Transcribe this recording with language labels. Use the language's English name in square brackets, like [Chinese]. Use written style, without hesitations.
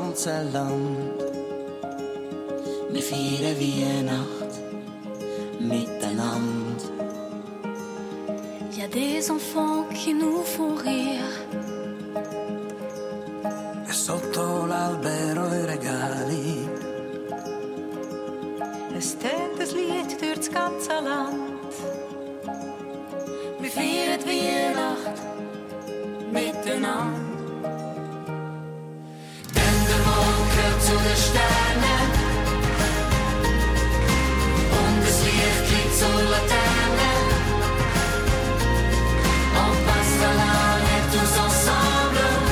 [German] Wir feiern Weihnacht miteinander. [French] Y'a des enfants qui nous font rire. [Italian] E sotto l'albero i regali. [German] Es tönt das Lied durch das ganze Land. Wir feiern Weihnacht miteinander. Zu den Sternen und das Licht klingt zu Laternen und passt allein etwas ensemble.